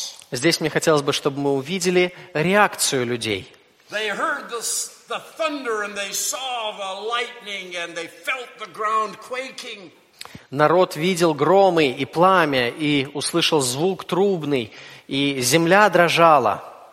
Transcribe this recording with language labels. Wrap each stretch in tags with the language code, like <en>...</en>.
<ru>Здесь мне хотелось бы, чтобы мы увидели реакцию людей.</ru> <en>They heard the thunder and they saw the lightning and they felt the ground quaking.</en> <ru>Народ видел громы и пламя, и услышал звук трубный, и земля дрожала.</ru>